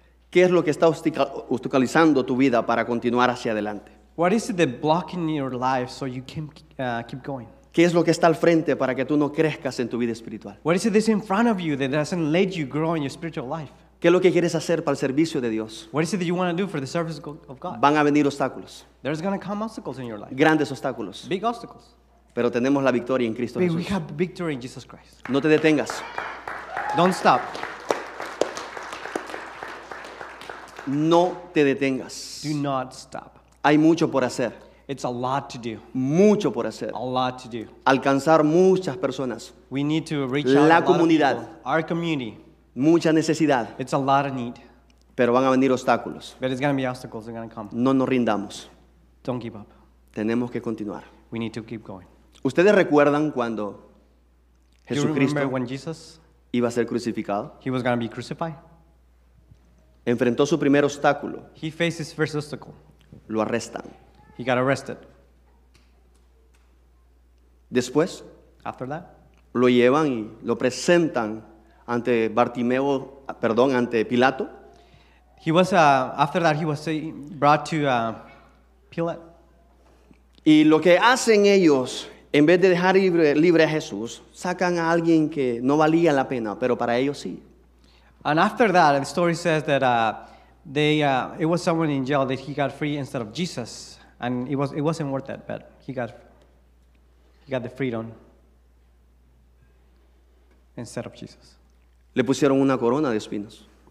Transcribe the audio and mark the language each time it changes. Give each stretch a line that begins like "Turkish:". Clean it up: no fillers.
Spanish: ¿Qué es lo que está obstaculizando tu vida para continuar hacia adelante?
English: What is it that blocking your life so you can keep going?
Spanish: ¿Qué es lo que está al frente para que tú no crezcas en tu vida espiritual?
English: What is it that's in front of you that doesn't let you grow in your spiritual life?
Spanish: ¿Qué es lo que quieres hacer para el servicio de Dios?
English: What is it that you want to do for the service of God?
Spanish: Van a venir obstáculos.
English: There's going to come obstacles in your life.
Spanish: Grandes obstáculos.
English: Big obstacles.
Spanish: Pero tenemos la victoria en Cristo Jesús.
English: We have victory in Jesus Christ.
Spanish: No te detengas.
English: Don't stop.
Spanish: No te detengas.
English: Do not stop.
Spanish: Hay mucho por hacer.
English: It's a lot to do.
Spanish: Mucho por hacer.
English: A lot to do.
Spanish: Alcanzar muchas personas.
English: We need to reach
Spanish: la
English: out
Spanish: comunidad.
English: A lot of people. Our community.
Spanish: Mucha necesidad.
English: It's a lot of need.
Spanish: Pero van a venir obstáculos.
English: But it's going to be obstacles that are going to come.
Spanish: No nos rindamos.
English: Don't give up.
Spanish: Tenemos que continuar.
English: We need to keep going.
Spanish: ¿Ustedes recuerdan cuando Jesucristo iba a ser crucificado?
English: He was going to be crucified.
Spanish: Enfrentó su primer obstáculo.
English: He faced his first obstacle.
Spanish: Lo arrestan.
English: He got arrested.
Spanish: Después,
English: after that,
Spanish: lo llevan y lo presentan ante Bartimeo, perdón, ante Pilato.
English: He was after that he was brought to Pilate.
Spanish: Y lo que hacen ellos, en vez de dejar libre a Jesús, sacan a alguien que no valía la pena, pero para ellos sí.
English: And after that, the story says that it was someone in jail that he got free instead of Jesus, and it wasn't worth it, but he got the freedom instead of Jesus.
Spanish: Le pusieron una corona de espinos.